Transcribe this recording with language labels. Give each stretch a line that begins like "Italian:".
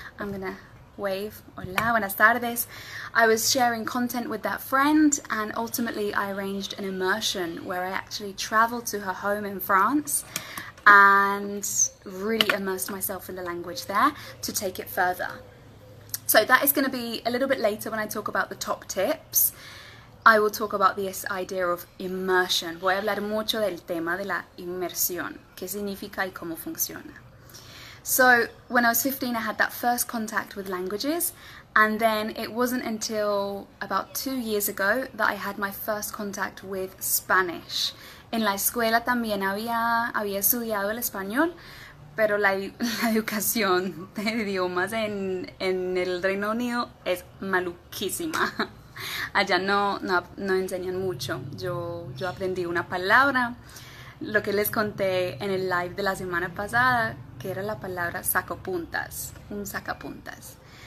English: I'm gonna wave,
Spanish: hola, buenas tardes.
English: I was sharing content with that friend, and ultimately I arranged an immersion where I actually traveled to her home in France and really immersed myself in the language there to take it further. So that is going to be a little bit later when I talk about the top tips. I will talk about this idea of immersion.
Spanish: Voy a hablar mucho del tema de la inmersión. ¿Qué significa y cómo funciona?
English: So when I was 15, I had that first contact with languages. And then it wasn't until about 2 years ago that I had my first contact with Spanish.
Spanish: En la escuela también había estudiado el español, pero la educación de idiomas en el Reino Unido es maluquísima. Allá no enseñan mucho. Yo aprendí una palabra, lo que les conté en el live de la semana pasada, que era la palabra sacapuntas, un sacapuntas.